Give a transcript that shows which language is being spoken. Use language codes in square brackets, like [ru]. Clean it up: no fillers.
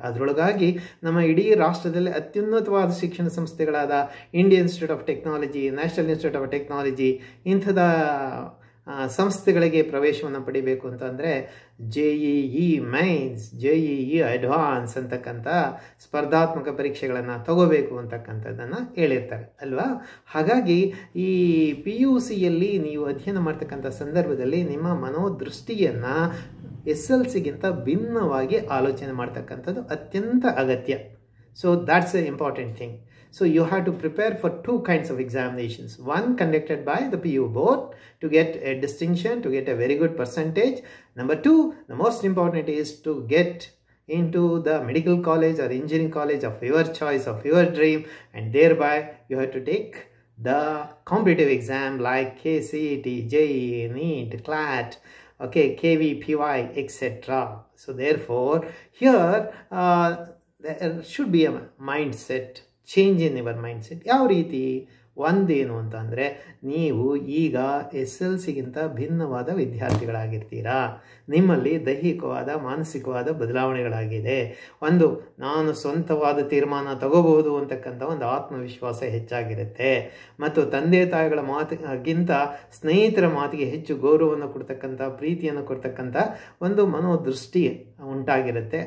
[kn] ಅದರೊಳಗಾಗಿ ನಮ್ಮ ಇಡೀ ರಾಷ್ಟ್ರದಲ್ಲೇ ಅತ್ಯುನ್ನತವಾದ ಶಿಕ್ಷಣ ಸಂಸ್ಥೆಗಳಾದ Indian institute of technology, national institute of technology, ಇಂಥದ ಸಂಸ್ಥೆಗಳಿಗೆ ಪ್ರವೇಶವನ್ನು ಪಡಿಬೇಕು ಅಂತಂದರೆ JEE ಮೈನ್ಸ್, JEE ಅಡ್ವಾನ್ಸ್ ಅಂತಕ್ಕಂಥ ಸ್ಪರ್ಧಾತ್ಮಕ ಪರೀಕ್ಷೆಗಳನ್ನು ತಗೋಬೇಕು ಅಂತಕ್ಕಂಥದ್ದನ್ನು ಹೇಳಿರ್ತಾರೆ ಅಲ್ವಾ? ಹಾಗಾಗಿ ಈ PUCಯಲ್ಲಿ ನೀವು ಅಧ್ಯಯನ ಮಾಡ್ತಕ್ಕಂಥ ಸಂದರ್ಭದಲ್ಲಿ ನಿಮ್ಮ ಮನೋದೃಷ್ಟಿಯನ್ನು SLCಗಿಂತ ಭಿನ್ನವಾಗಿ ಆಲೋಚನೆ ಮಾಡ್ತಕ್ಕಂಥದ್ದು ಅತ್ಯಂತ ಅಗತ್ಯ. [en] So that's a important thing. So you have to prepare for two kinds of examinations. One conducted by the PU board to get a distinction, to get a very good percentage. Number two, the most important is to get into the medical college or engineering college of your choice, of your dream. And thereby you have to take the competitive exam like KCET, JEE, NEET, CLAT, okay, KVPY, etc. So therefore, here there should be a mindset change in your mindset. [kn] ಯಾವ ರೀತಿ? ಒಂದೇನು ಅಂತಂದರೆ, ನೀವು ಈಗ SLCಗಿಂತ ಭಿನ್ನವಾದ ವಿದ್ಯಾರ್ಥಿಗಳಾಗಿರ್ತೀರಾ, ನಿಮ್ಮಲ್ಲಿ ದೈಹಿಕವಾದ ಮಾನಸಿಕವಾದ ಬದಲಾವಣೆಗಳಾಗಿದೆ. ಒಂದು, ನಾನು ಸ್ವಂತವಾದ ತೀರ್ಮಾನ ತಗೋಬಹುದು ಅಂತಕ್ಕಂಥ ಒಂದು ಆತ್ಮವಿಶ್ವಾಸ ಹೆಚ್ಚಾಗಿರುತ್ತೆ, ಮತ್ತು ತಂದೆ ತಾಯಿಗಳ ಮಾತಿಗಿಂತ ಸ್ನೇಹಿತರ ಮಾತಿಗೆ ಹೆಚ್ಚು ಗೌರವವನ್ನು ಕೊಡ್ತಕ್ಕಂಥ, ಪ್ರೀತಿಯನ್ನು ಕೊಡ್ತಕ್ಕಂಥ ಒಂದು ಮನೋದೃಷ್ಟಿ ಉಂಟಾಗಿರುತ್ತೆ.